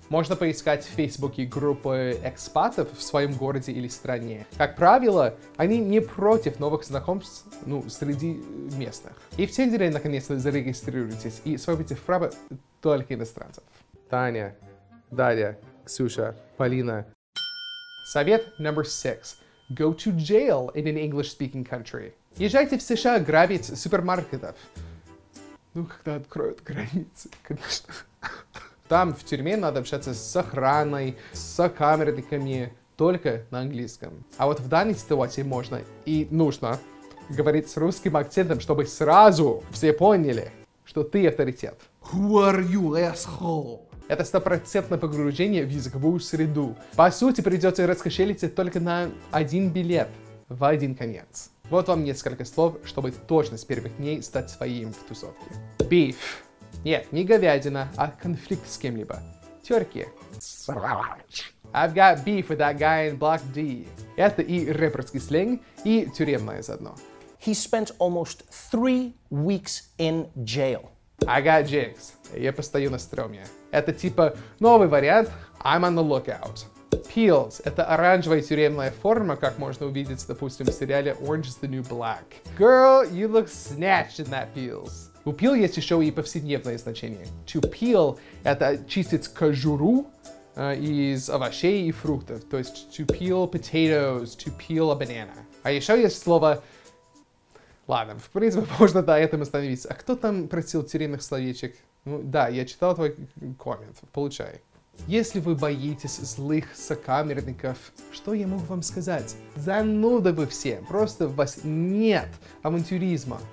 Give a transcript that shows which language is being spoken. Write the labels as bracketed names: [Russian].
[Russian] Можно поискать в Фейсбуке группы экспатов в своем городе или стране. Как правило, они не против новых знакомств, ну, среди местных. И в Тиндере, наконец-то, зарегистрируйтесь и свопите вправо только иностранцев. Таня, Дарья, Ксюша, Полина. Совет номер 6. [English] Go to jail in an English-speaking country. [Russian] Езжайте в США грабить супермаркетов. Ну, когда откроют границы, конечно. Там, в тюрьме, надо общаться с охраной, с камерниками, только на английском. А вот в данной ситуации можно и нужно говорить с русским акцентом, чтобы сразу все поняли, что ты авторитет. [English] Who are you, asshole? [Russian] Это 100% погружение в языковую среду. По сути, придется раскошелиться только на один билет в один конец. Вот вам несколько слов, чтобы точно с первых дней стать своим в тусовке. [English] Beef. [Russian] Нет, не говядина, а конфликт с кем-либо. Терки. Срач. [English] I've got beef with that guy in block D. [Russian] Это и рэперский сленг, и тюремное заодно. [English] He spent almost 3 weeks in jail. I got jinx. [Russian] Я постою на стрёме. Это типа новый вариант [English] I'm on the lookout. [Russian] Peels — это оранжевая тюремная форма, как можно увидеть, допустим, в сериале Orange is the New Black. [English] Girl, you look snatched in that peels. [Russian] У peel есть еще и повседневное значение. To peel — это чистить кожуру из овощей и фруктов. То есть [English] to peel potatoes, to peel a banana. [Russian] А еще есть слово... Ладно, в принципе, можно на этом остановиться. А кто там просил тюремных словечек? Ну да, я читал твой коммент. Получай. Если вы боитесь злых сокамерников, что я могу вам сказать? Зануды вы все, просто у вас нет авантюризма.